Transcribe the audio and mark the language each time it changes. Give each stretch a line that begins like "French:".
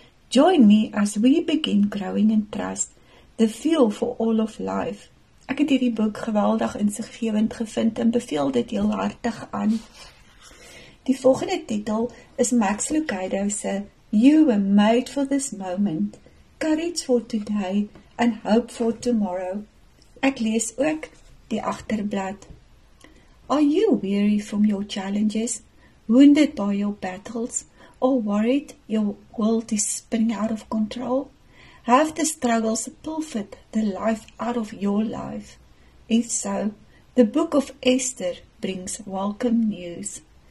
English: Join me as we begin growing in trust, the feel for all of life.
Afrikaans: Ek het hierdie boek geweldig insiggewend gevind en beveel dit heel hartig aan. Die volgende titel is Max Lucado se You were made for this moment, courage for today and hope for tomorrow. Ek lees ook die agterblad.
English: Are you weary from your challenges, wounded by your battles, or worried your world is spinning out of control? Have the struggles pulled the life out of your life? If so, The book of Esther brings welcome news.